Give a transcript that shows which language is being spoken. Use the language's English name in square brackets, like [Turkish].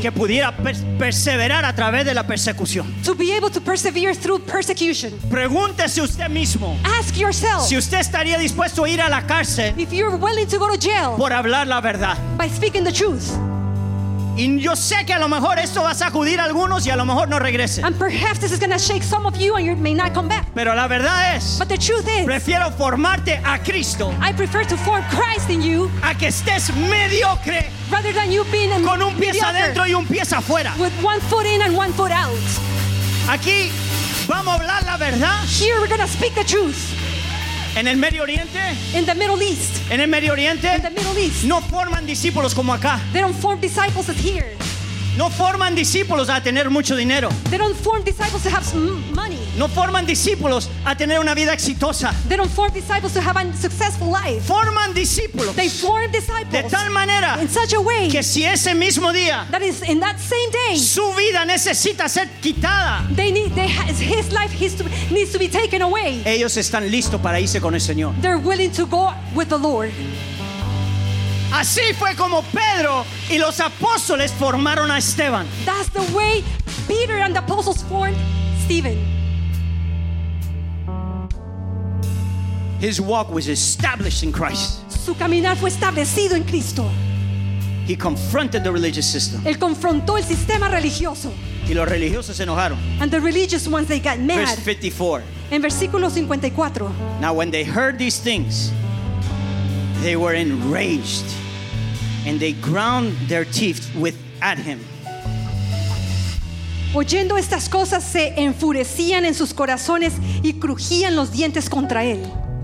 [Spanish] que pudiera perseverar a través de la persecución. [English] To be able to persevere through persecution. [Spanish] Pregúntese usted mismo. [English] Ask yourself. [Spanish] Si usted estaría dispuesto a ir a la cárcel. [English] If you're willing to go to jail. [Spanish] Por hablar la verdad. [English] By speaking the truth. [Spanish] Y yo sé que a lo mejor esto va a sacudir a algunos y a lo mejor no regrese. [English] And perhaps this is going to shake some of you and you may not come back. [Spanish] Pero la verdad es, [English] but the truth is, [Spanish] prefiero formarte a Cristo. [English] I prefer to form Christ in you. [Spanish] A que estés mediocre. [English] Rather than you being mediocre. [Spanish] Con un pie adentro y un pie afuera. [English] With one foot in and one foot out. [Spanish] Aquí vamos a hablar la verdad. [English] Here we're going to speak the truth. [Spanish] En el Medio Oriente, [English] in the Middle East, [Spanish] en el Medio Oriente, [English] in the Middle East, [Spanish] no forman discípulos como acá. [English] They don't form disciples as here. [Spanish] No forman discípulos a tener mucho dinero. [English] They don't form disciples to have some money. [Spanish] No forman discípulos a tener una vida exitosa. [English] They don't form disciples to have a successful life. [Spanish] Forman discípulos. [English] They form disciples. [Spanish] De tal manera. [English] In such a way. [Spanish] Que si ese mismo día. [English] That is in that same day. [Spanish] Su vida necesita ser quitada. [English] They need, they, his life his, needs to be taken away. [Spanish] Ellos están listos para irse con el Señor. [English] They're willing to go with the Lord. [Spanish] Así fue como Pedro y los apóstoles formaron a Esteban. [English] That's the way Peter and the apostles formed Stephen. His walk was established in Christ. [Spanish] Su caminar fue establecido en Cristo. [English] He confronted the religious system. [Spanish] Él confrontó el sistema religioso. Y los religiosos se enojaron. [English] And the religious ones, they got mad. Verse 54. [Spanish] En versículo 54. [English] Now when they heard these things, they were enraged and they ground their teeth with at him. [Spanish] Oyendo estas cosas se enfurecían en sus corazones y crujían los dientes contra él.